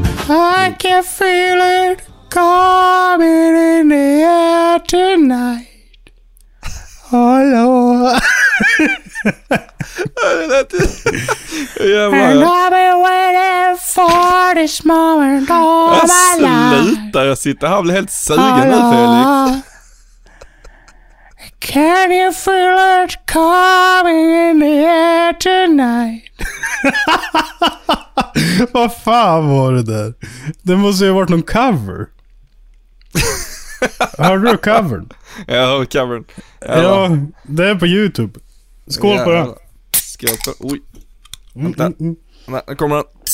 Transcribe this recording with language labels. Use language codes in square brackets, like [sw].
[en] I can feel it coming in the air tonight. Hello. And I've been waiting for this moment all my life. [sv] Sluta, jag sitter här och blir helt sugen nu, Felix. [en] Can you feel it coming in the air tonight? [sv] Vad fan var det där? Det måste ju ha varit någon cover. Har du covern? Ja, jag har covern. Ja, det är på YouTube. Skål på den. Skål på. Oj. Vänta. Nej, kommer den.